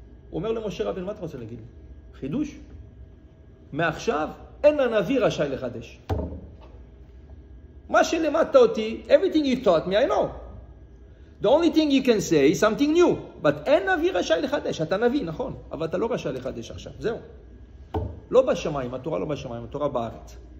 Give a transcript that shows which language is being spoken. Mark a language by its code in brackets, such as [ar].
[he] הוא אומר למשה רבן, מה אתה רוצה להגיד לי? חידוש? מעכשיו אין הנביא רשאי לחדש. מה שלמדת אותי, [en] everything you taught me, I know. The only thing you can say is something new. [he] But אין נביא רשאי לחדש. אתה נביא, נכון. אבל אתה לא רשאי לחדש עכשיו. זהו. לא בשמיים, התורה לא בשמיים, התורה בארץ.